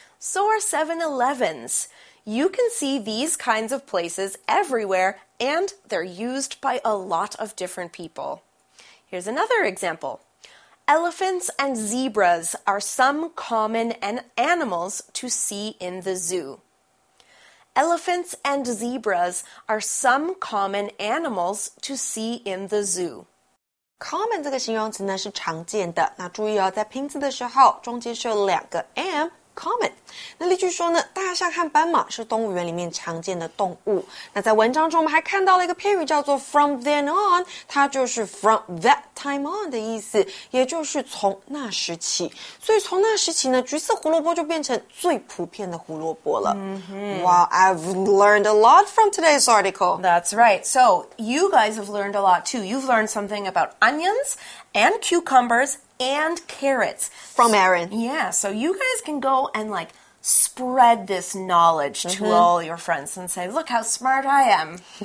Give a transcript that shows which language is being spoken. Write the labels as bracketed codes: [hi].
[en] So are 7-Elevens. You can see these kinds of places everywhere,And they're used by a lot of different people. Here's another example. Elephants and zebras are some common animals to see in the zoo. Elephants and zebras are some common animals to see in the zoo. [zh] Common 这个形容词呢是常见的。那注意哦，在拼字的时候，中间是有两个 m common。那例句说呢，大象和斑马是动物园里面常见的动物。那在文章中，我们还看到了一个片语叫做 from then on， 它就是 [en] from that time on [zh] 的意思，也就是从那时起。所以从那时起呢，橘色胡萝卜就变成最普遍的胡萝卜了。 [en] Wow, I've learned a lot from today's article. That's right. So you guys have learned a lot too. You've learned something about onions and cucumbers and carrots. From Aaron. Yeah, so you guys can go and like spread this knowledge to all your friends and say, look how smart I am.